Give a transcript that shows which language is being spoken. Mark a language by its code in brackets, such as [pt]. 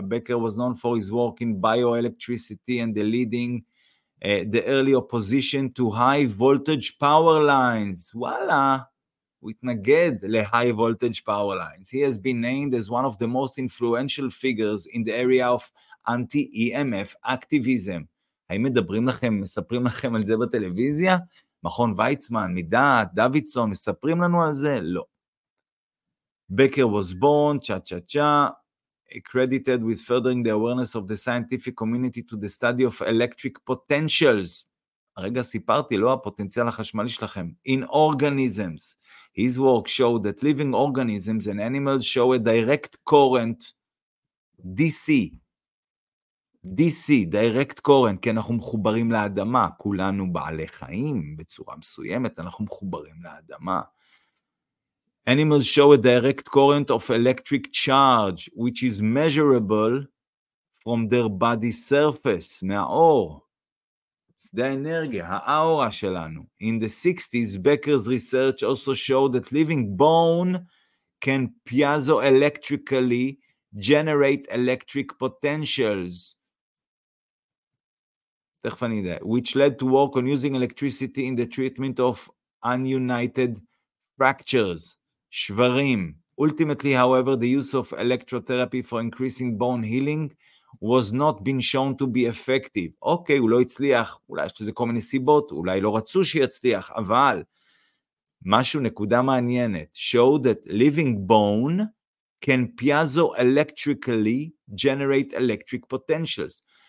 [en] Becker was known for his work in bioelectricity and the leading, the early opposition to high voltage power lines. Voila! Witnaged le high voltage power lines. He has been named as one of the most influential figures in the area of anti-EMF activism. [he] האם מדברים לכם, מספרים לכם על זה בטלוויזיה? מכון ויצמן, מדעת, דוידסון, מספרים לנו על זה? לא. [en] Becker was born, cha-cha-cha, accredited with furthering the awareness of the scientific community to the study of electric potentials. [he] הרגע סיפרתי, לא הפוטנציאל החשמלי שלכם. [en] In organisms, his work showed that living organisms and animals show a direct current, DC. DC, direct current, [he] כי אנחנו מחוברים לאדמה, כולנו בעלי חיים בצורה מסוימת, אנחנו מחוברים לאדמה. [en] Animals show a direct current of electric charge, which is measurable from their body surface, [he] מהאור. שדה האנרגיה, האורה שלנו. [en] In the 60s, Becker's research also showed that living bone can piezoelectrically generate electric potentials. [he] תכף אני יודע. [en] Which led to work on using electricity in the treatment of ununited fractures. [he] שברים. [en] Ultimately, however, the use of electrotherapy for increasing bone healing was not been shown to be effective. [he] אוקיי, הוא לא הצליח. אולי יש לזה כל מיני סיבות. אולי לא רצו שיצליח. אבל משהו, נקודה מעניינת. [en] Show that living bone can piezoelectrically generate electric potentials.